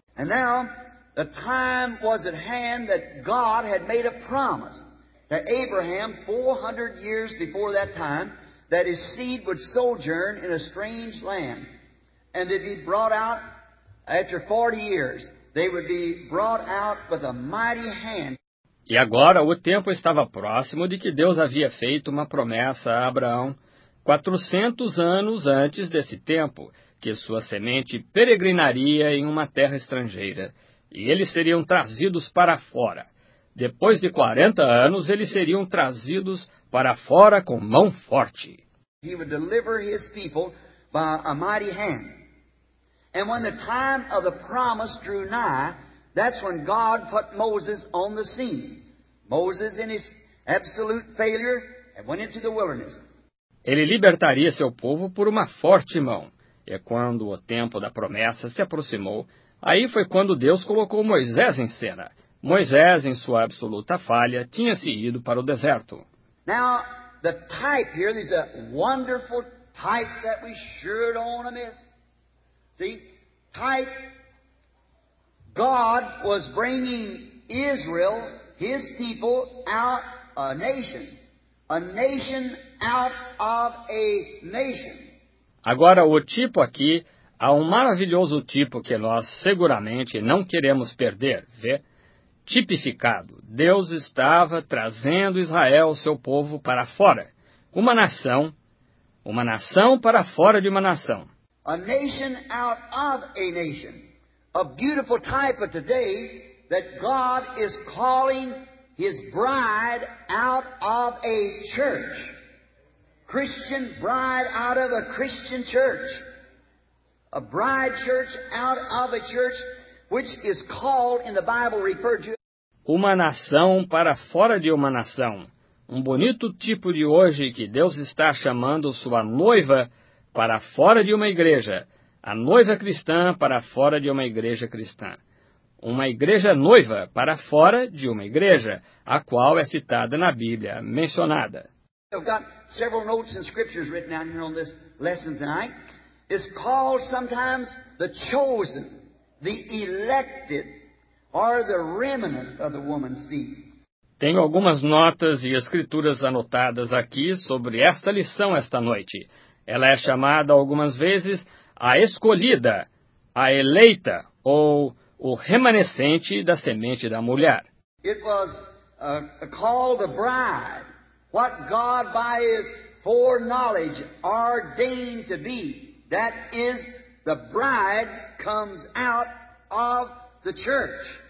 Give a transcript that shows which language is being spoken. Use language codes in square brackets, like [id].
[en] And now, the time was at hand that God had made a promise to Abraham 400 years before that time that his seed would sojourn in a strange land and they'd be brought out after 40 years. They would be brought out with a mighty hand. [pt] E agora o tempo estava próximo de que Deus havia feito uma promessa a Abraão 400 anos antes desse tempo, que sua semente peregrinaria em uma terra estrangeira. E eles seriam trazidos para fora. Depois de 40 anos, eles seriam trazidos para fora com mão forte. [en] He would deliver his people by a mighty hand. And when the time of the promise drew nigh, that's when God put Moses on the scene. Moses, in his absolute failure, went into the wilderness. [pt] Ele libertaria seu povo por uma forte mão. E quando o tempo da promessa se aproximou, aí foi quando Deus colocou Moisés em cena. Moisés, em sua absoluta falha, tinha se ido para o deserto. [en] Now, the type here, there's a wonderful type that we sure don't want to miss. See, type, God was bringing Israel, his people, out a nation. A nation out of a nation. [pt] Agora, o tipo aqui, há um maravilhoso tipo que nós seguramente não queremos perder, vê? tipificado. Deus estava trazendo Israel, seu povo, para fora. Uma nação para fora de uma nação. [en] A nation out of a nation. A beautiful type of today that God is calling his bride out of a church. Christian bride out of a Christian church. A bride church out of a church which is called in the Bible referred to. [pt] Uma nação para fora de uma nação. Um bonito tipo de hoje que Deus está chamando sua noiva para fora de uma igreja. A noiva cristã para fora de uma igreja cristã. Uma igreja noiva para fora de uma igreja, a qual é citada na Bíblia, mencionada. [en] I've got several notes and scriptures written down here on this lesson tonight. It's called sometimes the chosen, the elected, or the remnant of the woman's seed. [pt] Tenho algumas notas e escrituras anotadas aqui sobre esta lição esta noite. Ela é chamada algumas vezes a escolhida, a eleita, ou o remanescente da semente da mulher. [en] It was a call the bride, what God by his foreknowledge ordained to be. That is, the bride comes out of the church.